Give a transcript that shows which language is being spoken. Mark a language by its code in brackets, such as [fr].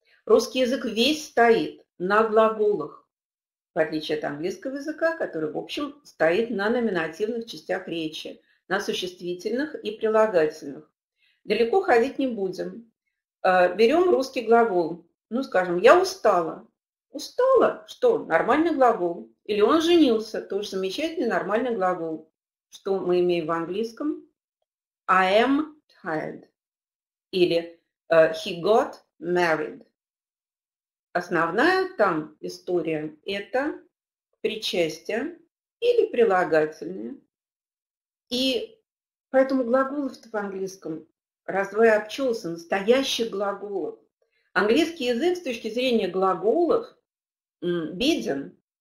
[ru] Русский язык весь стоит на глаголах, в отличие от английского языка, который, в общем, стоит на номинативных частях речи, на существительных и прилагательных. Далеко ходить не будем. Берем русский глагол. Ну, скажем, я устала. Устала? Что? Нормальный глагол. Или он женился? Тоже замечательный нормальный глагол. Что мы имеем в английском? [en] I am tired. [ru] Или [en] he got married. [ru] Основная там история – это причастие или прилагательное. И поэтому глаголов-то в английском раз-два и обчелся, настоящих глаголов. Английский язык с точки зрения глаголов беден.